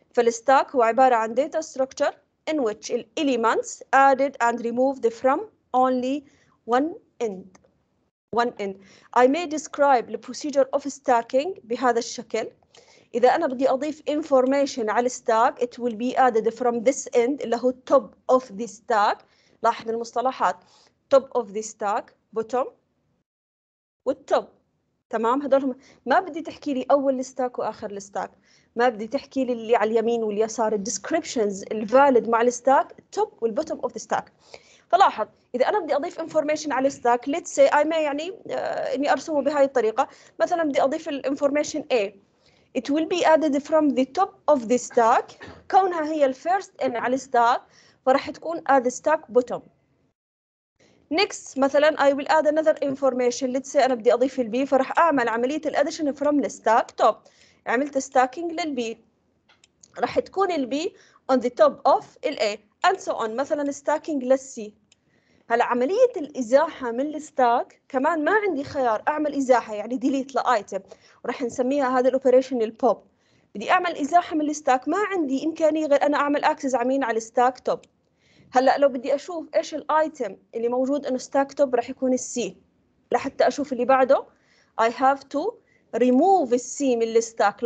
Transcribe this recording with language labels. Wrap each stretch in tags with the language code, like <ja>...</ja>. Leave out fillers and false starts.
<ar>فال</ar> <en>stack</en> <ar>هو عبارة عن</ar> <en>data structure in which the elements added and removed from only one end. I may describe the procedure of stacking</en> <ar>بهذا الشكل. إذا أنا بدي أضيف</ar> <en>information على stack it will be added from this end</en> <ar>اللي هو</ar> <en>top of the stack.</en> <ar>لاحظ المصطلحات</ar> <en>top of the stack bottom</en> <ar>والtop، تمام؟ هدول هم. ما بدي تحكي لي أول الستاك وآخر الستاك، ما بدي تحكي لي اللي على اليمين واليسار. descriptions الفاليد مع الستاك top والbottom</ar> <en>of the stack.</en> <ar>فلاحظ إذا أنا بدي أضيف</ar> <en>information على stack let's say I may</en> <ar>يعني إني أرسمه بهاي الطريقة، مثلا بدي أضيف</ar> <en>information A it will be added from the top of the stack</en> <ar>كونها هي ال</ar> <en>first in على stack</en> <ar>فراح تكون</ar> <en>at the stack bottom. next مثلا I will add another information let's say</en> <ar>أنا بدي أضيف ال B فراح أعمل عملية ال</ar> <en>addition from the stack top. عملت stacking لل B</en> <ar>راح تكون ال</ar> <en>B on the top of ال A and so on.</en> <ar>مثلا stacking لل C. هلا عملية الإزاحة من الستاك كمان ما عندي خيار أعمل إزاحة، يعني delete لأيتم ورح نسميها هذا الأوبريشن البوب. بدي أعمل إزاحة من الستاك ما عندي إمكانية غير أنا أعمل أكسس عمين على الستاك توب. هلا لو بدي أشوف إيش الأيتم اللي موجود إنه ستاك توب رح يكون السي، لحتى أشوف اللي بعده</ar> <en>I have to remove</en> <ar>السي من الستاك.</ar>